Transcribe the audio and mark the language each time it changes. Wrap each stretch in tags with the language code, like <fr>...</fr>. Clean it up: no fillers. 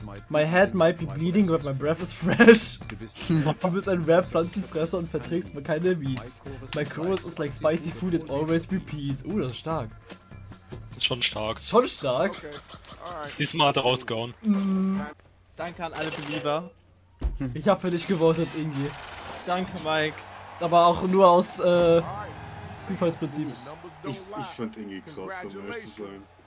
<en>My head might be bleeding, but my breath is fresh.</en> <de>Du bist ein Rap-Pflanzenfresser und verträgst mir keine Beats.</de> <en>My chorus is like spicy food, it always repeats.</en> <de>Das ist stark. Schon stark. Schon stark? Diesmal hat er rausgehauen. Danke an alle Believer. Ich hab für dich gewotet, Ingi. Danke, Mike. Aber auch nur aus Zufallsprinzip. Ich fand Ingi krass, um ehrlich zu sein.</de>